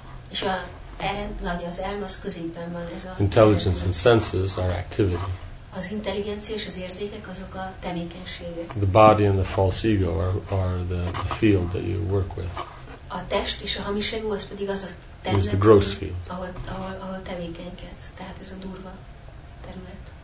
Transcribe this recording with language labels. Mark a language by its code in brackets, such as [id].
[hu] És a az elme az középen van, ez a [en] intelligence and senses are activity. [hu] Az intelligencia és az érzékek azok a tevékenységek. [en] The body and the false ego are the field that you work with. [hu] A test és a hamis ego az pedig az a terület. [en] It's the gross field. [hu] Ahol tevékenykedsz, tehát ez a durva terület.